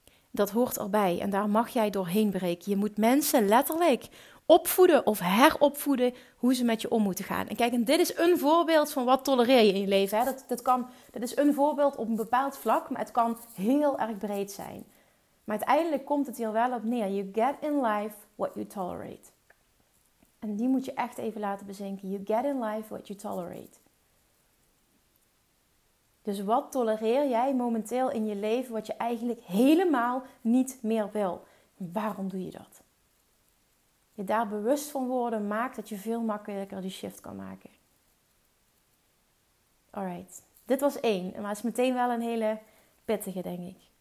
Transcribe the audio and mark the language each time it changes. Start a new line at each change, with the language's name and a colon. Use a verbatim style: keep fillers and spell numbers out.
Dutch: Dat hoort erbij en daar mag jij doorheen breken. Je moet mensen letterlijk opvoeden of heropvoeden hoe ze met je om moeten gaan. En kijk, en dit is een voorbeeld van wat tolereer je in je leven. Hè? Dat, dat, kan, dat is een voorbeeld op een bepaald vlak, maar het kan heel erg breed zijn. Maar uiteindelijk komt het hier wel op neer.
English: You get in life what you tolerate.
Dutch: En die moet je echt even laten bezinken.
English: You get in life what you tolerate.
Dutch: Dus wat tolereer jij momenteel in je leven wat je eigenlijk helemaal niet meer wil? Waarom doe je dat? Je daar bewust van worden maakt dat je veel makkelijker die shift kan maken. Alright, dit was één. Maar het is meteen wel een hele pittige, denk ik.